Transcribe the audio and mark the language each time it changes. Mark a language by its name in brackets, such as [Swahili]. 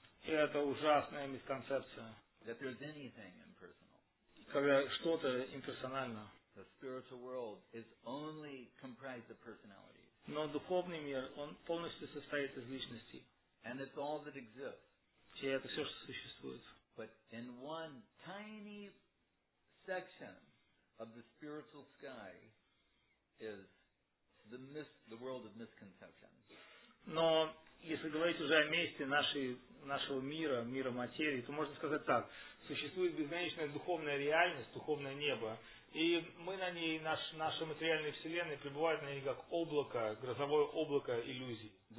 [Russian] И это ужасная мисконцепция. [English] That there's anything impersonal. [Russian] Когда что-то имперсонально. [English] The spiritual world is only comprised of personalities. [Russian] Но духовный мир, он полностью состоит из личностей. [English] And it's all that exists. [Russian] И это все, что существует. [English] But in one tiny section of the spiritual sky is the world of misconception. [Russian] Но если говорить уже о месте нашего мира, мира материи, то можно сказать так. Существует безграничная духовная реальность, духовное небо, и мы на ней, наша материальная вселенная пребывает на ней как облако, грозовое облако иллюзий.